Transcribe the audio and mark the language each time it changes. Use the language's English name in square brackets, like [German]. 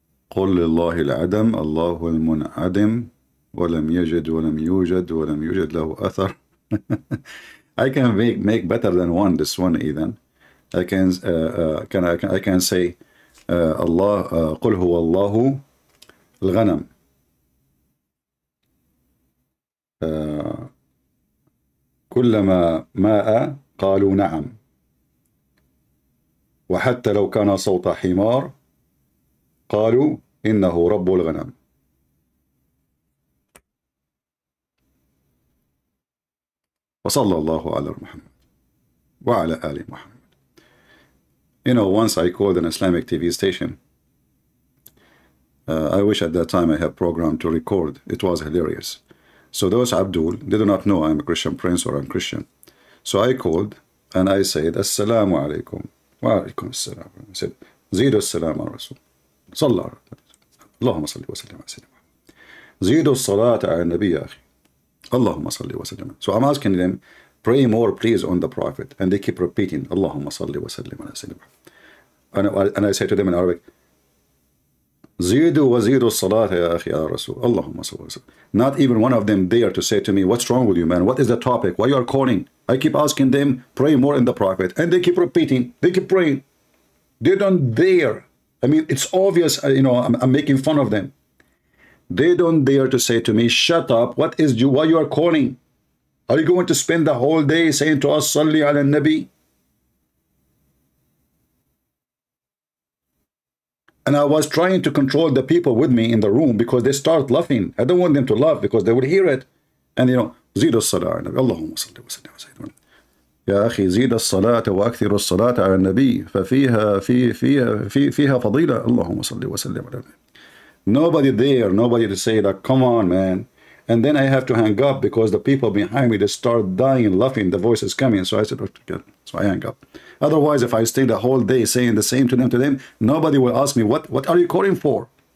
[Arabic] قل لله العدم الله المنعدم ولم يجد ولم يوجد ولم يوجد له أثر. [English] I can make better than one this one even. I can say Allah قل هو الله الغنم. [Arabic] كلما ماء قالوا نعم وحتى لو كان صوت حمار قالوا إنه رب الغنم. وصلى الله على محمد وعلى آل محمد. [English] You know, once I called an Islamic TV station. I wish at that time I had programmed to record. It was hilarious. So those Abdul, they do not know I'm a Christian prince or I'm Christian. So I called and I said, Assalamu alaikum. [Arabic] Wa alaikum assalam. I said, Zidu assalam al Rasul. Salla. اللهم صل وسلم على سيدنا محمد. زيدوا الصلاة على النبي يا أخي. اللهم صل وسلم. [English] So I'm asking them, pray more please on the Prophet. [Arabic] And they keep repeating, اللهم صل وسلم على سيدنا محمد. [English] And I say to them in Arabic, زيدوا وزيدوا الصلاة يا أخي يا رسول. [Arabic] اللهم صل وسلم. [English] Not even one of them dare to say to me, what's wrong with you, man? What is the topic? Why you are calling? I keep asking them, pray more in the Prophet. And they keep repeating, they keep praying. They don't dare. I mean, it's obvious, you know, I'm making fun of them. They don't dare to say to me, shut up, what is you, why you are calling? Are you going to spend the whole day saying to us, Salli ala Nabi? And I was trying to control the people with me in the room because they start laughing. I don't want them to laugh because they would hear it. [Arabic] And you know, Zidu Salli ala Nabi, Allahumma salli wa sallam wa sallam. يا أخي زيد الصلاة وأكثر الصلاة على النبي ففيها في فيها في فيها فضيلة اللهم صل وسلم على النبي. [English] Nobody there, nobody to say that. Come on, man. And then I have to hang up because the people behind me they start dying laughing. The voice is coming, so I said, okay. So I hang up. Otherwise, if I stay the whole day saying the same to them, nobody will ask me what are you calling for.